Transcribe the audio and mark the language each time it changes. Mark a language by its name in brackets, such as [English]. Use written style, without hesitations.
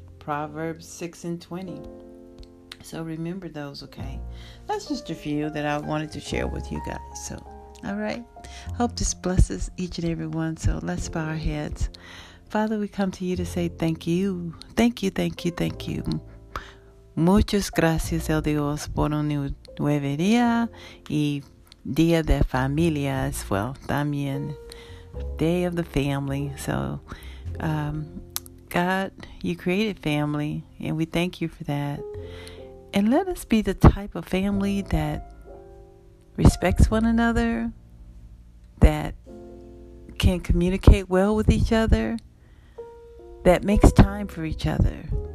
[English] Proverbs 6:20. So remember those, okay? That's just a few that I wanted to share with you guys, so. All right. Hope this blesses each and every one. So let's bow our heads. Father, we come to you to say thank you. Thank you, thank you, thank you. [Spanish] Muchas gracias, el Dios, por un nuevo día y día de familia [English] as well. [Spanish] También, [English] day of the family. So, God, you created family, and we thank you for that. And let us be the type of family that respects one another, that can communicate well with each other, that makes time for each other.